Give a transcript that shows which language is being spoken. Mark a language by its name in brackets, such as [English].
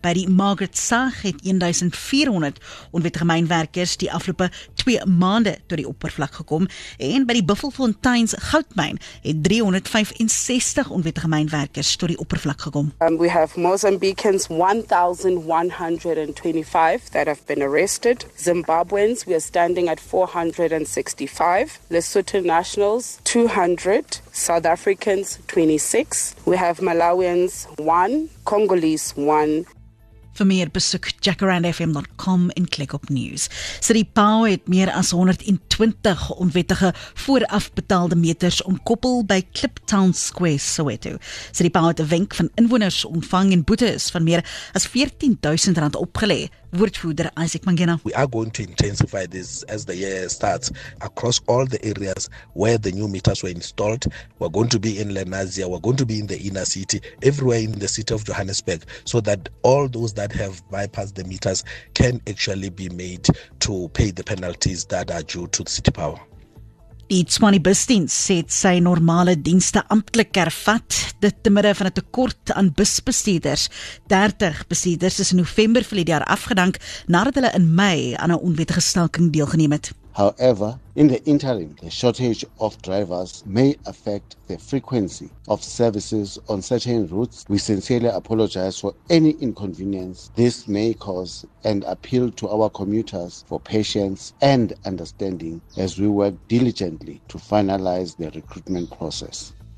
[Afrikaans] By die Margaret Saag het 1400 onwettige mynwerkers die afgelope 2 maande tot die oppervlak gekom en by die Buffelfonteins goudmyn het 365 onwettige mynwerkers tot die oppervlak gekom. [English] We have Mozambicans 1125 that have been arrested. Zimbabweans, we are standing at 465. Lesotho nationals, 200. South Africans, 26. We have Malawians, 1. Congolese, 1. [Afrikaans] Vir meer besoek jackarandfm.com en klik op news. City Power het meer as 120 onwettige voorafbetaalde meters ontkoppel by Cliptown Square, Soweto. City Power het 'n wenk van inwoners ontvang en boetes van meer as R14,000 opgelê. Woordvoerder Isaac Mangena. [English] We are going to intensify this as the year starts across all the areas where the new meters were installed. We're going to be in Lenasia, we're going to be in the inner city, everywhere in the city of Johannesburg, so that all those that have bypassed the meters can actually be made to pay the penalties that are due to the City Power. [Afrikaans] Die Tshwane busdiens sê sy normale dienste amptelik hervat, dit te midde van 'n tekort aan busbestuurders. 30 bestuurders is in November verlede jaar afgedank nadat hulle in Mei aan 'n onwettige staking deelgeneem het. [English] However, in the interim, the shortage of drivers may affect the frequency of services on certain routes. We sincerely apologize for any inconvenience this may cause and appeal to our commuters for patience and understanding as we work diligently to finalize the recruitment process.